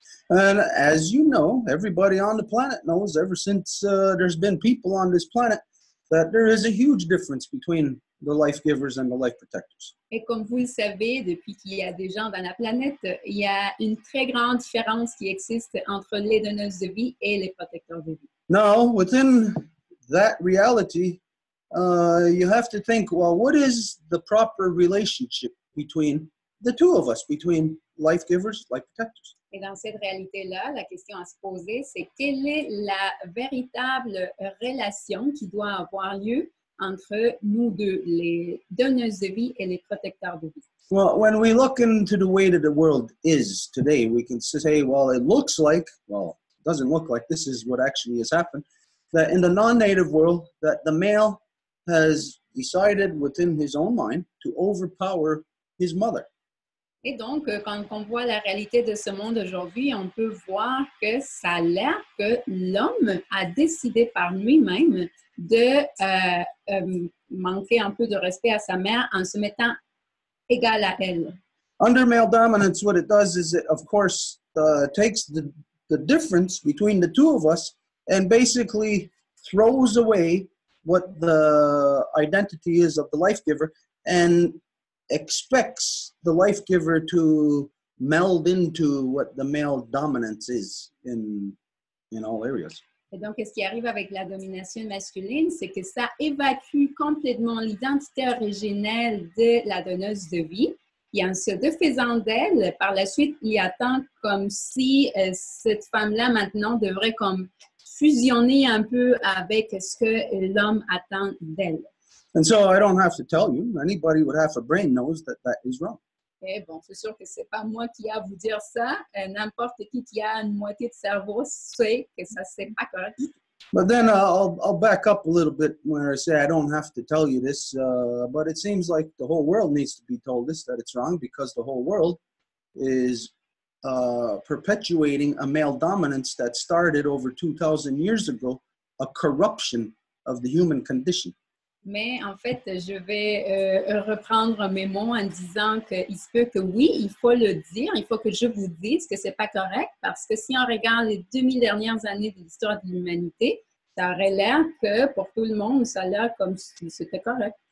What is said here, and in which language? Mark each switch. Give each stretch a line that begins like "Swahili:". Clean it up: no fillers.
English: And as you know, everybody on the planet knows, ever since there's been people on this planet, that there is a huge difference between the life givers and the life protectors.
French: Et comme vous le savez, depuis qu'il y a des gens dans la planète, il y a une très grande différence qui existe entre les donneuses de vie et les protecteurs de vie.
English: Now, within that reality, you have to think, well, what is the proper relationship between the two of us, between life givers, life protectors?
French: Et dans cette réalité-là, la question à se poser, c'est quelle est la véritable relation qui doit avoir lieu entre nous deux, les donneuses de vie et les protecteurs de vie?
English: Well, when we look into the way that the world is today, we can say, well, it looks like, well, doesn't look like this is what actually has happened, that in the non-native world, that the male has decided within his own mind to overpower his mother.
French: Et donc, quand on voit la réalité de ce monde aujourd'hui, on peut voir que ça a l'air que l'homme a décidé par lui-même de manquer un peu de respect à sa mère en se mettant égal à elle.
English: Under male dominance, what it does is it, of course, takes the difference between the two of us and basically throws away what the identity is of the life giver and expects the life giver to meld into what the male dominance is in all areas.
French: Et donc, ce qui arrive avec la domination masculine, c'est que ça évacue complètement l'identité originelle de la donneuse de vie. Et en se défaisant d'elle, par la suite, il attend comme si cette femme-là maintenant devrait comme fusionner un peu avec ce que l'homme attend d'elle.
English: And so, I don't have to tell you, anybody with half a brain knows that that is wrong.
French: Et bon, c'est sûr que c'est pas moi qui a à vous dire ça. N'importe qui a une moitié de cerveau sait que ça c'est pas correct.
English: But then I'll back up a little bit where I say I don't have to tell you this, but it seems like the whole world needs to be told this, that it's wrong, because the whole world is perpetuating a male dominance that started over 2,000 years ago, a corruption of the human condition.
French: Mais en fait, je vais reprendre mes mots en disant qu'il se peut que oui, il faut le dire, il faut que je vous dise que ce n'est pas correct, parce que si on regarde les 2000 dernières années de l'histoire de l'humanité, ça aurait l'air que pour tout le monde, ça a l'air comme si c'était correct.